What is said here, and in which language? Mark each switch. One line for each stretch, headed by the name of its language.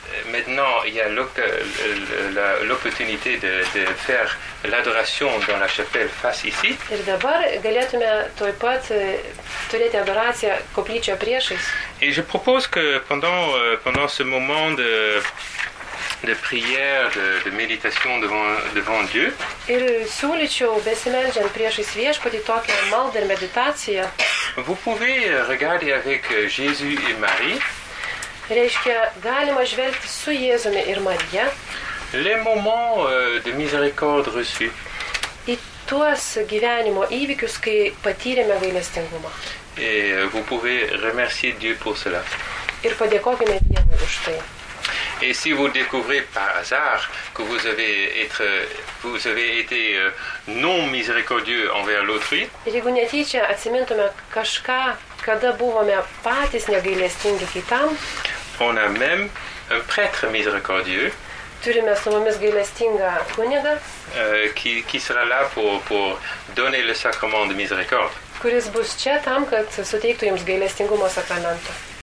French: Maintenant, il y a l'opportunité de faire l'adoration dans la chapelle face ici.
Lithuanian: Ir dabar galėtume toj pat turėti adoraciją koplyčioje priešais.
French: Et je propose que pendant ce moment de prière, de méditation devant Dieu.
Lithuanian: Ir siūlyčiau besimeldžiant priešais viešpatį tokią maldą ir meditaciją.
French: Vous pouvez regarder avec Jésus et Marie.
Lithuanian: Reiškia, galima žvelgti su Jėzumi ir Marija.
French: Les moments de miséricorde reçus.
Lithuanian: Į tuos gyvenimo įvykius, kai patyrėme gailestingumą.
French: Et vous pouvez remercier Dieu pour cela.
Lithuanian: Ir padėkokime Dievui už tai.
French: Et si vous découvrez par hasard que vous avez été non miséricordieux envers l'autrui,
Lithuanian: jeigu netyčia atsimintume kažką, kada buvome patys negailestingi kitam,
French: on a même un prêtre miséricordieux.
Lithuanian: Turime su mumis gailestingą kunigą,
French: qui sera là pour donner le sacrement de miséricorde.
Lithuanian: Kuris bus čia tam, kad suteiktų jums gailestingumo sakramentą.